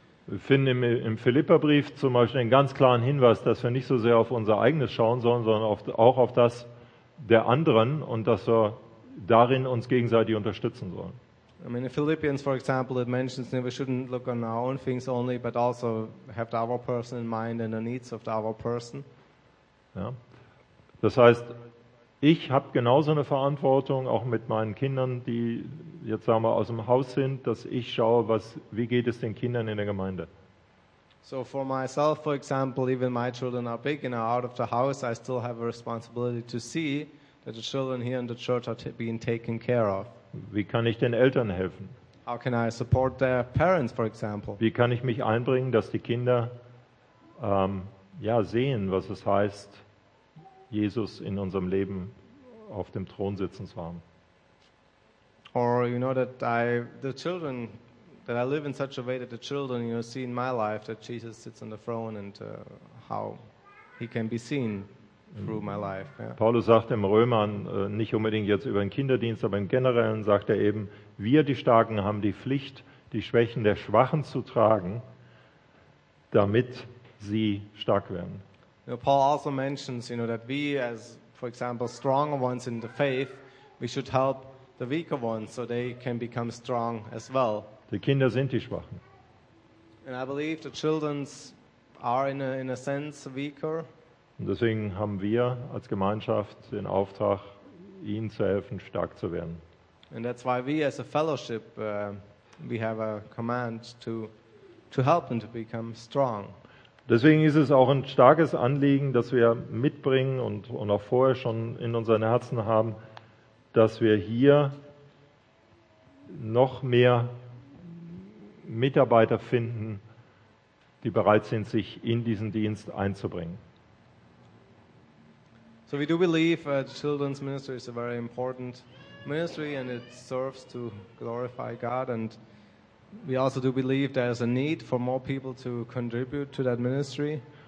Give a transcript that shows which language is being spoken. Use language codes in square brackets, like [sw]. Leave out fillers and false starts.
[de] Wir finden im Philipperbrief zum Beispiel einen ganz klaren Hinweis, dass wir nicht so sehr auf unser eigenes schauen sollen, sondern auch auf das der anderen und dass wir darin uns gegenseitig unterstützen sollen. [en] I mean, in Philippians, for example, it mentions that we shouldn't look on our own things only, but also have the other person in mind and the needs of the other person. Ja. [de] Das heißt, ich habe genauso eine Verantwortung, auch mit meinen Kindern, die jetzt sagen wir aus dem Haus sind, dass ich schaue, wie geht es den Kindern in der Gemeinde. [en] So for myself, for example, even my children are big and are out of the house, I still have a responsibility to see that the children here in the church are being taken care of. [de] Wie kann ich den Eltern helfen? [en] How can I support their parents, for example? [de] Wie kann ich mich einbringen, dass die Kinder sehen, was es heißt, Jesus in unserem Leben auf dem Thron sitzens waren. [en] Or you know that I live in such a way that the children, you know, see in my life that Jesus sits on the throne and how he can be seen through my life. Yeah. [de] Paulus sagt im Römern, nicht unbedingt jetzt über den Kinderdienst, aber im Generellen sagt er eben, wir die Starken haben die Pflicht, die Schwächen der Schwachen zu tragen, damit sie stark werden. [en] You know, Paul also mentions, you know, that we as, for example, stronger ones in the faith, we should help the weaker ones so they can become strong as well. [de] Die Kinder sind die Schwachen. [en] And I believe the children are in a sense weaker. [de] Und deswegen haben wir als Gemeinschaft den Auftrag, ihnen zu helfen, stark zu werden. [en] And that's why we as a fellowship we have a command to help them to become strong. [de] Deswegen ist es auch ein starkes Anliegen, das wir mitbringen und auch vorher schon in unseren Herzen haben, dass wir hier noch mehr Mitarbeiter finden, die bereit sind, sich in diesen Dienst einzubringen. [en] So we do believe the children's ministry is a very important ministry and it serves to glorify God, and we also do believe there is a need for more people to contribute to that ministry.